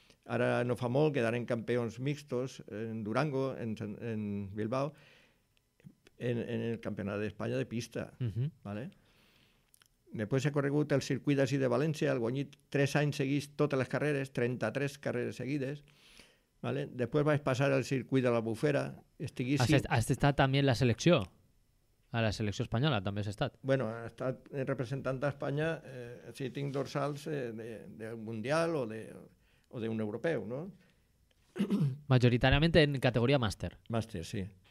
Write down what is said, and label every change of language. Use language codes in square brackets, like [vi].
[ca] Ara no fa molt, quedarem campions mixtos en Durango, en Bilbao, en el campionat d'Espanya de pista. Uh-huh. ¿Vale? Després he corregut el circuit d'ací de València, el guanyit 3 anys seguits totes les carreres, 33 carreres seguides. ¿Vale? [es] Después vais a pasar al circuito de la Albufera. [ca] Has estat també en la selecció. A la selecció espanyola també has estat. Bueno, he estat representant d'Espanya, si tinc dorsals del Mundial o de un europeu, no? Majoritàriament en categoria màster. Màster, sí.